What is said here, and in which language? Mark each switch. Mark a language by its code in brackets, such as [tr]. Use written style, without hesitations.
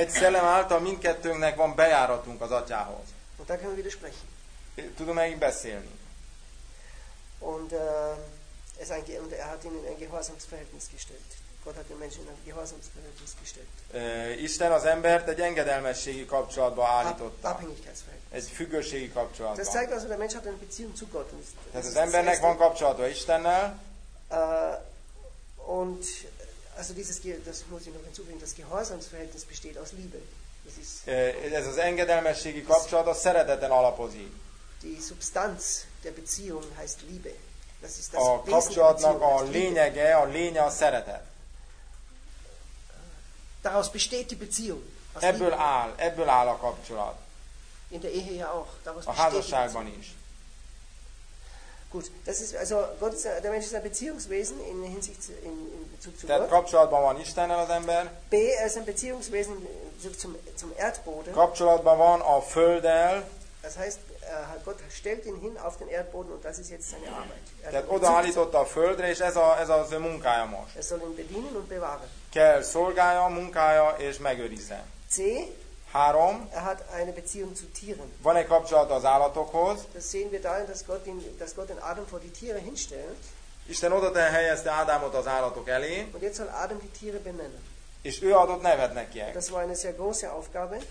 [hu] Egy szellem által mindkettőnknek van bejáratunk az Atyához. [de] Und da können wir wieder sprechen. [hu] Tudom megint beszélni. [de] Und es ein und er hat ihn in ein Gehorsamsverhältnis gestellt. Gott hat den Menschen in ein Gehorsamsverhältnis gestellt. [hu] Isten az embert egy engedelmességi kapcsolatba állította. [de] Abhängigkeitsverhältnis. [hu] Egy függőségi kapcsolatban. [de] Das zeigt also, der Mensch hat eine Beziehung zu Gott. [hu] Tehát az embernek van kapcsolata Istennel. [de] Und also dieses das muss ich noch hinzufügen, das Gehorsamsverhältnis besteht aus Liebe. Das ist [hu] ez az engedelmességi kapcsolat a szereteten alapozik. [de] Die Substanz der Beziehung heißt Liebe. Das ist das [hu] a kapcsolatnak a lényege, a lénye a szeretet. [de] Daraus besteht die Beziehung. [hu] Ebből [de] Liebe. [hu] Áll, ebből áll a kapcsolat. [de] In der Ehe ja auch. Daraus [hu] a házasságban is. [de] Gut, das ist also Gott ist, der Mensch ist ein Beziehungswesen in Hinsicht in Bezug zu Gott. [hu] Kapcsolatban van Istennel az ember. [de] B, er ist ein Beziehungswesen zum Erdboden. [hu] Kapcsolatban van a Földdel. [de] Das heißt, Gott stellt ihn hin auf den Erdboden und das ist jetzt seine Arbeit. [hu] Tehát odaállította a Földre, és ez az ő munkája most. [de] Er soll ihn bedienen und bewahren. [hu] Kell szolgálja, munkája és megőrizze. [de] C. [hu] Három. [de] Er hat eine Beziehung zu Tieren. [hu] Van egy kapcsolat az állatokhoz. [de] Das sehen wir darin, dass Gott den Adam vor die Tiere hinstellt. [hu] Isten oda helyezte Ádámot az állatok elé. [de] Und jetzt soll Adam die Tiere benennen. [hu] És ő adott nevet nekiek. [de] Das war eine sehr große Aufgabe.